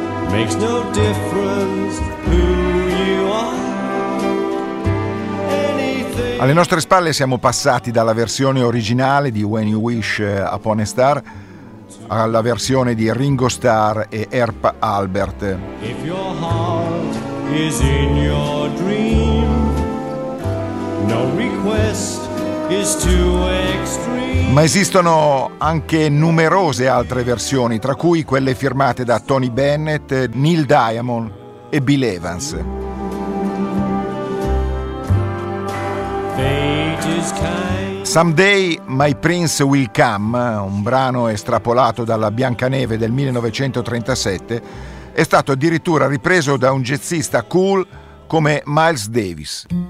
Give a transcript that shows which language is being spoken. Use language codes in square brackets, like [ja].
[en] Makes no difference who you are. Anything. [it] Alle nostre spalle siamo passati dalla versione originale di When You Wish Upon a Star alla versione di Ringo Starr e Herb Albert. [en] If your heart is in your dream, no request is too extreme. [it] Ma esistono anche numerose altre versioni, tra cui quelle firmate da Tony Bennett, Neil Diamond e Bill Evans. [en] Fate is kind. [it] Someday My Prince Will Come, un brano estrapolato dalla Biancaneve del 1937, è stato addirittura ripreso da un jazzista cool come Miles Davis.